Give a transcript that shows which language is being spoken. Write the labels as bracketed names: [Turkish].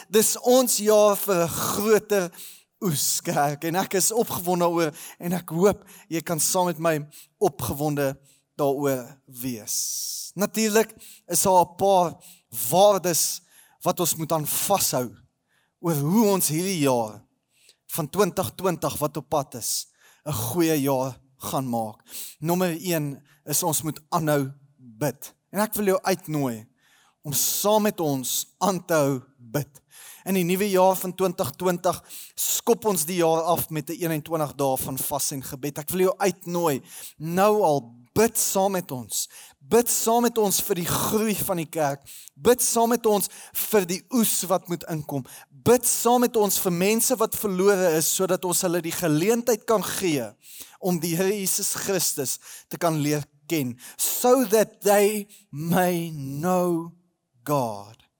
[Afrikaans] Dis ons jaar vir 'n groter oes, kerk, en ek is opgewonde oor, en ek hoop, jy kan saam met my opgewonde daaroor wees. Natuurlik is daar 'n paar waardes wat ons moet aan vashou, oor hoe ons hierdie jaar van 2020 wat op pad is, 'n goeie jaar gaan maak. Nommer 1 is ons moet aanhou bid, en ek wil jou uitnooi om saam met ons aan te hou bid. In die nuwe jaar van 2020 skop ons die jaar af met 'n 21 dae van vas en gebed. Ek wil jou uitnooi, nou al bid saam met ons. Bid saam met ons vir die groei van die kerk. Bid saam met ons vir die oes wat moet inkom. Bid saam met ons vir mense wat verlore is, sodat ons hulle die geleentheid kan gee om die Here Jesus Christus te kan leer ken. [English] So that they may know God.